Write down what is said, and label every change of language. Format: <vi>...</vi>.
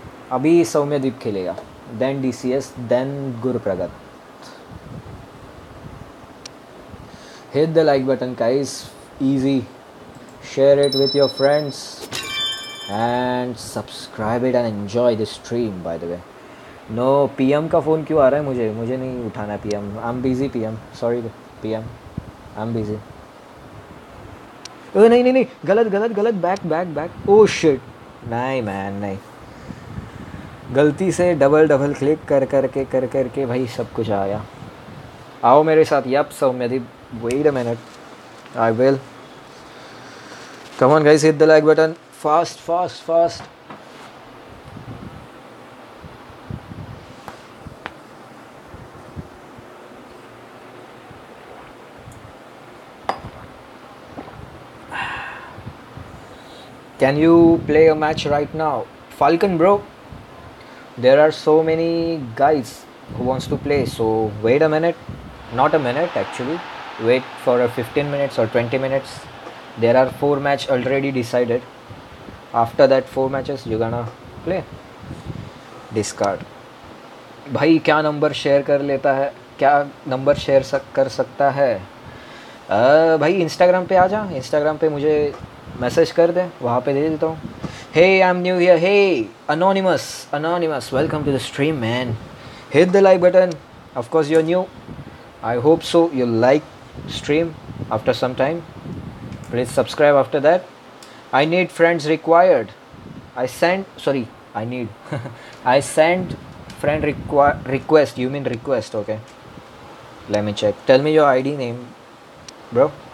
<hi>Abhi Samyadeep khelega.</hi> <en>Then DCS, then Gurpragat. Hit the like button, guys. Easy. Share it with your friends. And subscribe it and enjoy the stream, by the way.</en> <hi>No, PM का phone क्यों आ रहा है मुझे? मुझे नहीं उठाना PM.</hi> <en>I'm busy, PM. Sorry, PM. I'm busy.</en> <hi>नहीं नहीं नहीं, गलत गलत गलत.</hi> <en>Back, back, back. Oh, shit.</en> <hi>नहीं man, नहीं. गलती से double, double click कर के भाई सब कुछ आया. आओ मेरे साथ.</hi> <en>Yup, Soumyadeep. Wait a minute. I will. Come on, guys. Hit the like button. Fast, fast, fast. Can you play a match right now? Falcon bro, there are so many guys who wants to play. So wait a minute. Not a minute actually. Wait for a 15 minutes or 20 minutes. There are 4 match already decided. After that 4 matches, you gonna play. Discard.</en> <hi>भाई क्या number share कर लेता है, क्या number share कर सकता है भाई. Instagram पे आ जा, Instagram पे मुझे मैसेज कर दें, वहाँ पे दे देता हूँ।</hi> <en>hey I am new here, hey anonymous, anonymous welcome to the stream man, hit the like button, of course you are new, I hope so you like stream after some time, please subscribe after that, I need friends required, I send friend request, you mean request, okay, let me check, tell me your ID name bro,</en>